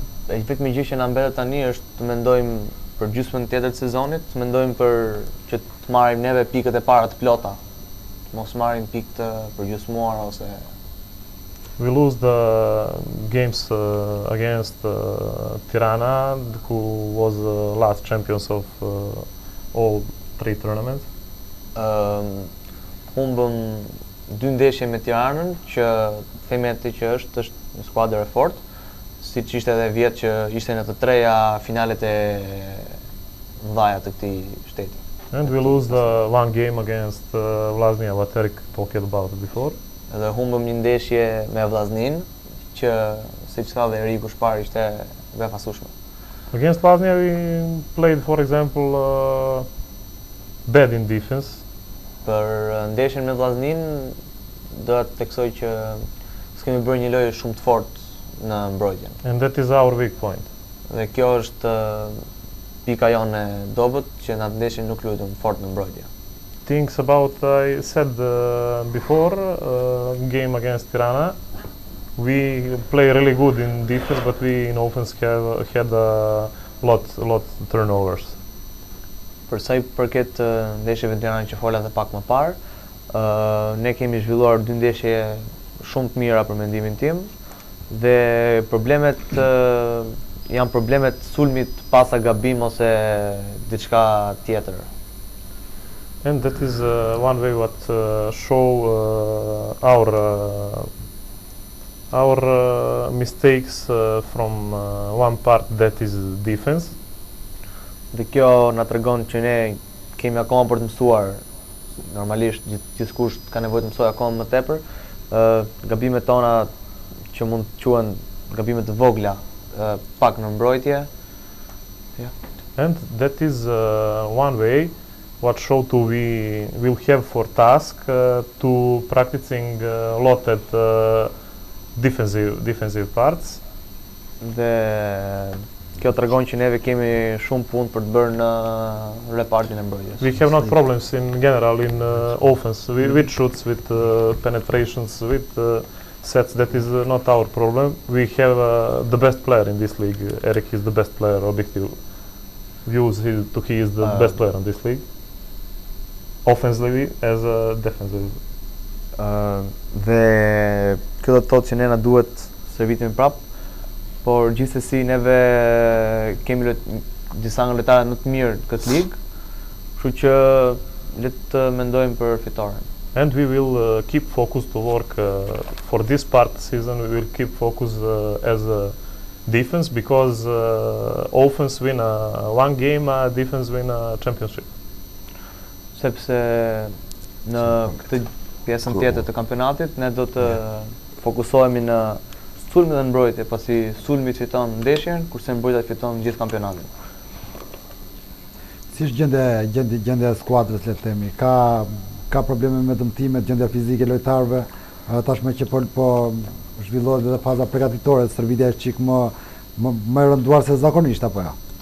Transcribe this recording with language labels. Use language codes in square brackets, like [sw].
[sq] E vetmi gjë që na mbetet tani është të mendojmë për gjysmën tjetër të sezonit, të mendojmë për që të marrim neve pikët e para të plota mos marrin pikë të përgjysmuar ose [en] we lose the games against Tirana, who was the last champions of all three tournaments. [sq] Humbëm dy ndeshje me Tiranën, që themi atë që është një skuadër e fortë, siç ishte edhe vjet që ishte në të treja finalet e mëdha të këtij shteti. [en] And we lose the one game against Vlaznia, what Eric talked about before. [sq] Edhe humbëm një ndeshje me Vllaznin, që siç tha dhe Eriku së pari ishte befasueshme. [en] Against Vllaznia we played for example bad in defense. [sq] Për ndeshjen me Vllaznin do të theksoj që s'kemi bërë një lojë shumë të fortë në mbrojtje. [en] And that is our weak point. [sq] Dhe kjo është pika jonë e dobët që në ndeshjen nuk luajtëm fort në mbrojtje. [en] Things about I said before game against Tirana. We play really good in defense, but we in offense had a lot turnovers. [sq] Për sa I përket ndeshjeve të Tiranës që fola edhe pak më parë, ne kemi zhvilluar dy ndeshje shumë të mira për mendimin tim dhe problemet janë problemet sulmit pas gabim ose diçka tjetër. [en] And that is one way what show our mistakes from one part that is defense. [sq] Dhe kjo na tregon që ne kemi akoma për të mësuar. Normalisht gjithkush ka nevojë të mësojë akoma më tepër. Gabimet tona që mund të quhen gabime të vogla, pak në mbrojtje. [en] Yeah. And that is one way what show to we will have for task to practicing a lot at defensive parts. [sq] Dhe kjo tregon që neve kemi shumë punë për të bërë në repartin e mbrojtjes. [en] We have not problems in general in offense, with shoots, with penetrations, with sets, that is not our problem. We have the best player in this league. Eric is the best player, objective views to he is the best player in this league. Offensively as a defensive. [sq] Dhe kjo do të thotë që ne na duhet servitim prapë, por gjithsesi neve kemi disa nga lojtarët më të mirë në këtë ligë, kështu që le të mendojmë për fitoren. [en] And we will keep focus to work for this part season, we will keep focus as a defense, because offense win one game, defense win a championship. [sq] Sepse në këtë pjesën tjetër të kampionatit, ne do të fokusohemi në sulmin dhe mbrojtje, pasi sulmi fiton ndeshjen, kurse mbrojtja fiton gjithë kampionatin. Si është gjendja e skuadrës, le të themi? Ka probleme me dëmtimet, gjendja fizike e lojtarëve, tashmë që po zhvillohet edhe faza përgatitore, stërvitja është çik më e rënduar se zakonisht, apo jo?